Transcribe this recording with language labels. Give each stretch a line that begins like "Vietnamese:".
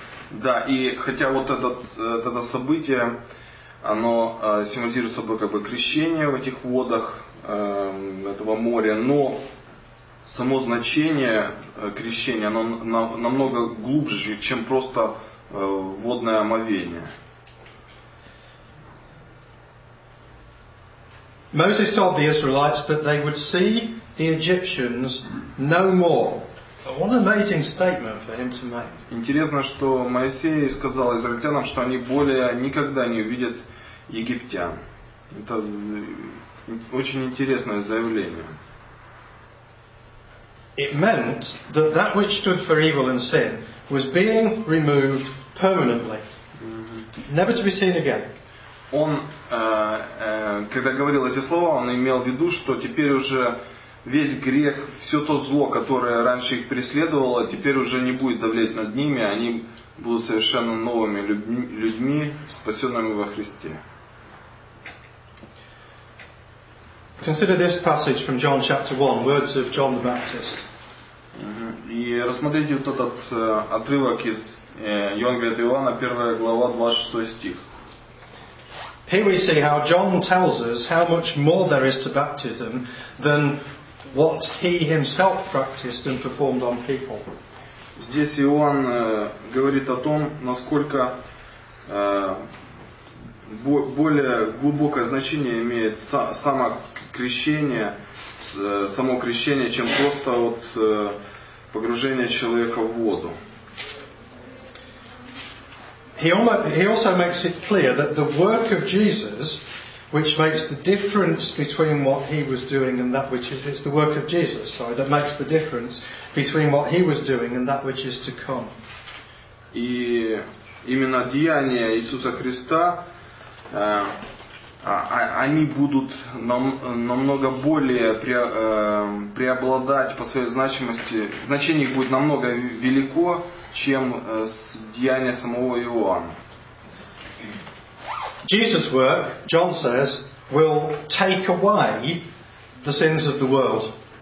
Russian: Да, и хотя вот это событие, оно символизирует собой как бы крещение в этих водах этого моря, но само значение крещения, оно намного глубже, чем просто водное омовение.
English: Moses told the Israelites that they would see the Egyptians no more. What an amazing statement for him to make.
Russian: Интересно, что Моисей сказал израильтянам, что они более никогда не увидят египтян. Это очень интересное заявление.
English: It meant that that which stood for evil and sin was being removed permanently, never to be seen again.
Russian: Он, когда говорил эти слова, он имел в виду, что теперь уже весь грех, все то зло, которое раньше их преследовало, теперь уже не будет давлеть над ними, они будут совершенно новыми людьми, спасенными во Христе.
English: Consider this passage from John chapter 1, words of John the Baptist.
Russian: И рассмотрите вот этот отрывок из Евангелия от Иоанна, 1 глава, 26 стих.
English: Here we see how John tells us how much more there is to baptism than what he himself practiced and performed on people.
Russian: Здесь Иоанн говорит о том, насколько более глубокое значение имеет само крещение, само крещение, чем просто вот погружение человека в воду.
English: He also makes it clear that the work of Jesus, which makes the difference between what he was doing and that which is, it's the work of Jesus, sorry, that makes the difference between what he was doing and that which is to come.
Russian: И именно деяния Иисуса Христа, они будут намного более преобладать по своей значимости, значение их будет намного велико, чем деяния самого Иоанна.
English: Jesus' work, John says, will take away the sins of the world.